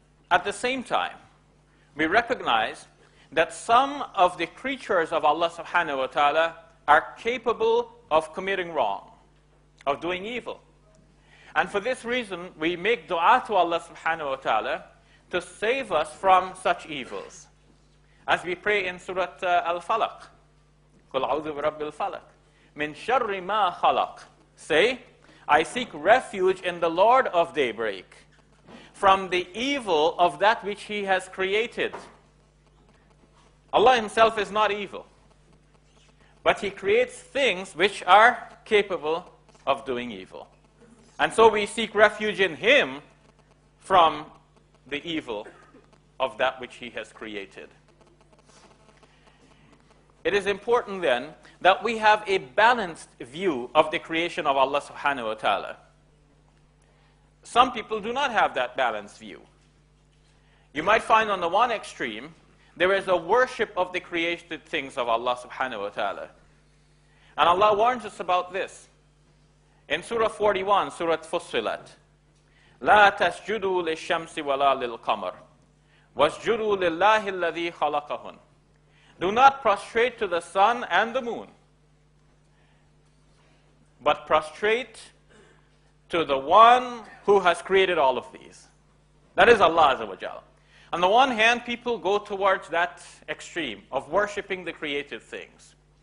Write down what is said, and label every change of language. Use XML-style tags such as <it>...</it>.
<en>At the same time, we recognize that some of the creatures of Allah subhanahu wa ta'ala are capable of committing wrong, of doing evil. And for this reason, we make dua to Allah subhanahu wa ta'ala to save us from such evils. As we pray in Surah Al-Falaq,</en> <ar>قُلْ عَوْذُ بِرَبِّ الْفَلَقِ مِنْ شَرِّ مَا خَلَقْ.</ar> <en>Say, I seek refuge in the Lord of daybreak from the evil of that which He has created. Allah Himself is not evil, but He creates things which are capable of doing evil. And so we seek refuge in Him from the evil of that which He has created. It is important then that we have a balanced view of the creation of Allah subhanahu wa ta'ala. Some people do not have that balanced view. You might find on the one extreme, there is a worship of the created things of Allah subhanahu wa ta'ala. And Allah warns us about this. In Surah 41, Surah Fussilat,</en> <ar>لا تسجدوا للشمس ولا للقمر واسجدوا لله الذي خلقهن.</ar> <en>Do not prostrate to the sun and the moon, but prostrate to the one who has created all of these. That is Allah Azza wa Jalla. On the one hand, people go towards that extreme of worshipping the created things.</en>